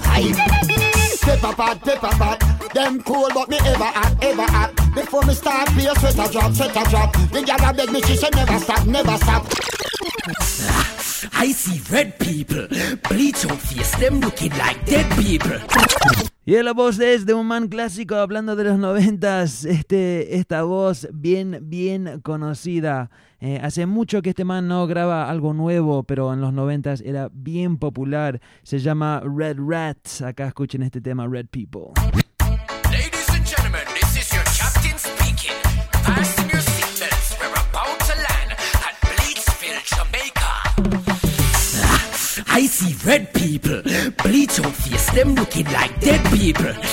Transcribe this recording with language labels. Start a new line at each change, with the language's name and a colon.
English: Paper pot, them cool but me ever hot, ever hot. Before me start, be a set a drop. The girl a beg me, she say never stop, never stop. I see red people, bleach your face, them looking like dead people.
Spanish: Y la voz es de un man clásico hablando de los noventas, esta voz bien, bien conocida. Hace mucho que este man no graba algo nuevo, pero en los noventas era bien popular. Se llama Red Rat. Acá escuchen este tema, Red People.
English: Ladies and gentlemen, this is your captain speaking. Fasten your seatbelts, we're about to land at Bleachville, Jamaica. I see red people, bleach your face, them looking like dead people.